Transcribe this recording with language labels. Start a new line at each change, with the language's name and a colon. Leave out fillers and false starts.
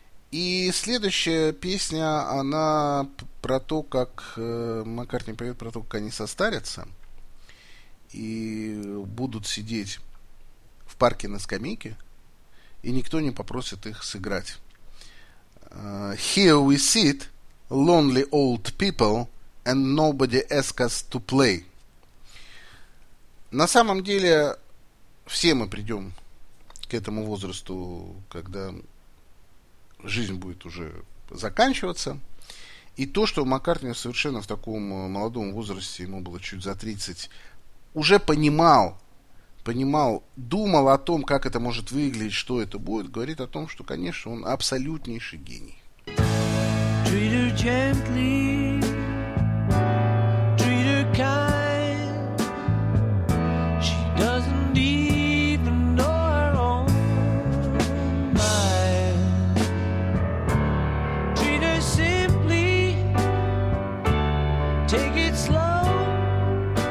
Russian: И следующая песня, она про то, как Маккартни поет про то, как они состарятся и будут сидеть в парке на скамейке, и никто не попросит их сыграть.
English: Here we sit, lonely old people, and nobody asks us to play.
Russian: На самом деле, все мы придем к этому возрасту, когда жизнь будет уже заканчиваться. И то, что Маккартни совершенно в таком молодом возрасте, ему было чуть за 30, уже понимал, думал о том, как это может выглядеть, что это будет, говорит о том, что, конечно, он абсолютнейший гений.
English: Treat her gently, treat her kind. She doesn't even know her own mind. Treat her simply, take it slow.